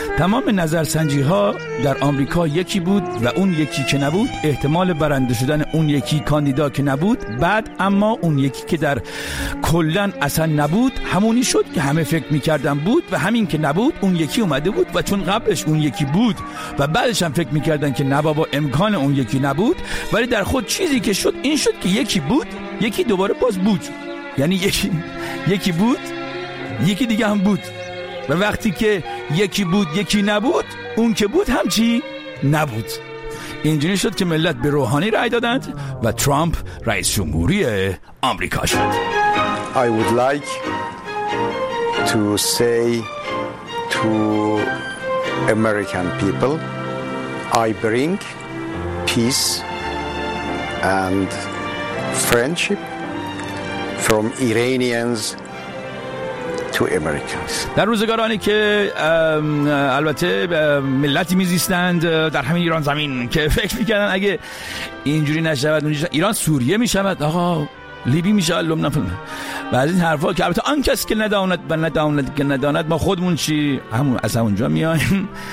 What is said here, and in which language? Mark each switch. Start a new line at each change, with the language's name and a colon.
Persian: تمام نظرسنجی ها در آمریکا یکی بود و اون یکی که نبود، احتمال برنده شدن اون یکی کاندیدا که نبود، بعد اما اون یکی که در کلن اصلا نبود همونی شد که همه فکر میکردن بود، و همین که نبود اون یکی اومده بود، و چون قبلش اون یکی بود و بعدش هم فکر میکردن که نبابا امکان اون یکی نبود، ولی در خود چیزی که شد این شد که یکی بود، یکی دوباره باز بود، یعنی یکی بود یکی دیگه هم بود، و وقتی که یکی بود یکی نبود، اون که بود همچی نبود. اینجوری شد که ملت به روحانی رأی دادند و ترامپ رئیس جمهوری آمریکا شد.
English: I would like to say to American people, I bring peace and friendship from Iranians to Americans.
Persian: در روزگارانی که البته ملتی میزیستند در همین ایران زمین که فکر میکردن اگه اینجوری نشود ایران سوریه میشود، آقا لیبی میشه، علم نفهم بعضی این حرفا که البته آن کس که نداند و نداند که نداند، ما خودمون چی همون از همونجا میایم.